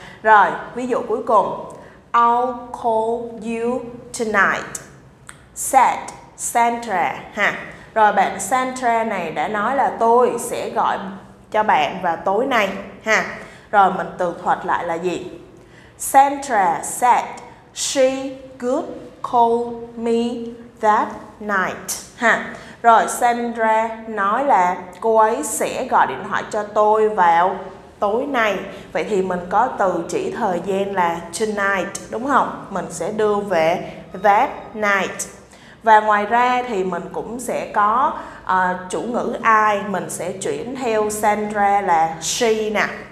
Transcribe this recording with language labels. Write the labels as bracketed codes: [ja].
[vi] Rồi, ví dụ cuối cùng. [en] I'll call you tonight, said Sandra [vi] ha. Rồi bạn Sandra này đã nói là tôi sẽ gọi cho bạn vào tối nay ha. Rồi mình tường thuật lại là gì? [en] Sandra said she could call me that night ha. [vi] Rồi Sandra nói là cô ấy sẽ gọi điện thoại cho tôi vào tối nay. Vậy thì mình có từ chỉ thời gian là tonight đúng không? Mình sẽ đưa về that night. Và ngoài ra thì mình cũng sẽ có chủ ngữ I, mình sẽ chuyển theo Sandra là she nè.